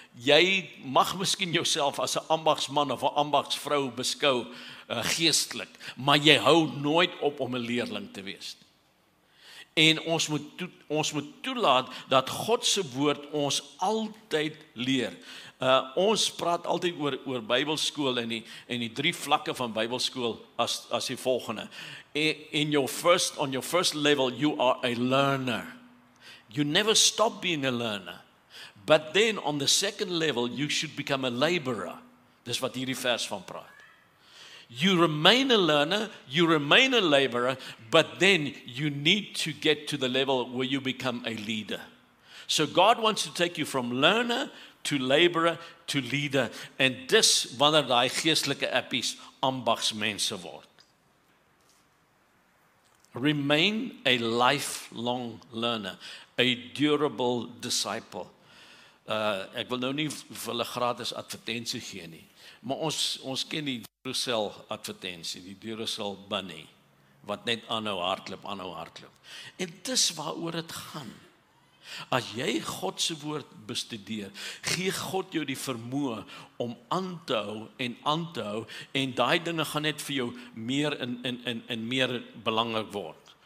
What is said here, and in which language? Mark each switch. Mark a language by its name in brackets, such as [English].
[Afrikaans] Jy mag miskien jouself as 'n ambagsman of 'n ambagsvrou beskou geestelik, maar jy hou nooit op om 'n leerling te wees. En ons moet toelaat dat God se woord ons altyd leer. Ons praat altyd oor Bybelskool en die drie vlakke van Bybelskool as die volgende. [English] On your first level, you are a learner. You never stop being a learner. But then on the second level, you should become a laborer. [Afrikaans] Dis wat hierdie vers van praat. [English] You remain a learner, you remain a laborer, but then you need to get to the level where you become a leader. So God wants to take you from learner to laborer to leader. And [Afrikaans] dis wanneer daai geestelike appies ambagsmense word. [English] Remain a lifelong learner, a durable disciple. [Afrikaans] Ek wil nou nie vir hulle gratis advertensie gee nie, maar ons ken die Duracell advertensie, die Duracell bunny, wat net aanhou hardloop. En dis waaroor dit gaan. As jy God se woord bestudeer, gee God jou die vermoë om aan te hou en aan te hou, en daai dinge gaan net vir jou meer en meer belangrik word.